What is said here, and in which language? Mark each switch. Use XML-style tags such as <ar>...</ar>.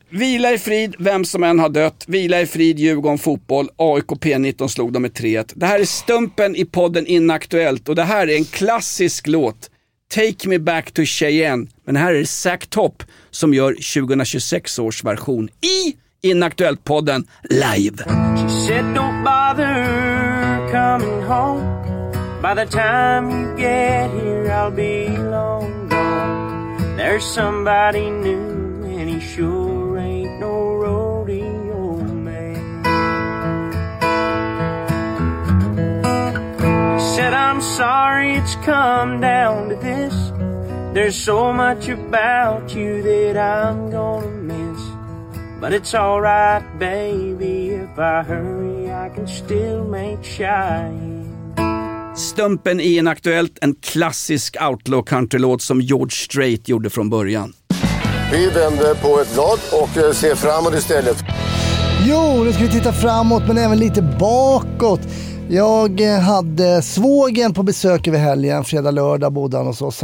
<sv>Vila i frid, vem som än har dött. Vila i frid, Djurgården fotboll. AIK P19 slog dem med 3-1. Det här är stumpen i podden Inaktuellt. Och det här är en klassisk låt. Take me back to Cheyenne. Men här är Zac Topp som gör 2026 års version i... Inaktuellt podden live.</sv> <en>She said don't bother coming home. By the time you get here I'll be long gone. There's somebody new and he sure ain't no rodeo man. She said I'm sorry it's come down to this. There's so much about you that I'm gonna miss. But it's all right, baby, if I hurry I can still make shine.</en> <sv>Stumpen i en aktuellt, en klassisk outlaw country-låt som George Strait gjorde från början. Vi vänder på ett blad och ser framåt istället. Jo, nu ska vi titta framåt men även lite bakåt. Jag hade svågen på besök över helgen, fredag, lördag, bodde han hos oss.</sv>